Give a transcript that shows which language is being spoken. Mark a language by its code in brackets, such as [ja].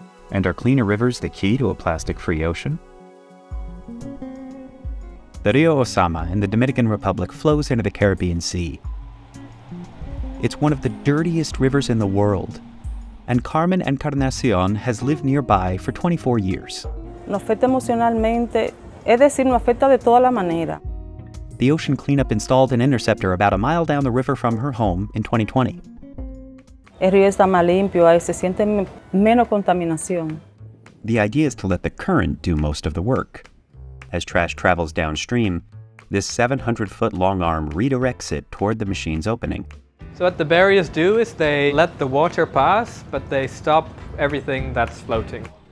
[en] And are cleaner rivers the key to a plastic-free ocean? The Rio Ozama in the Dominican Republic flows into the Caribbean Sea. It's one of the dirtiest rivers in the world, and Carmen Encarnacion has lived nearby for 24 years. [es] Nos afecta emocionalmente, es decir, nos afecta de toda la manera. [en] The ocean cleanup installed an interceptor about a mile down the river from her home in 2020. [es] El río está más limpio, se siente menos contaminación. [en] The idea is to let the current do most of the work. As trash travels downstream, this 700-foot-long arm redirects it toward the machine's opening. So what the barriers do is they let the water pass, but they stop everything that's floating.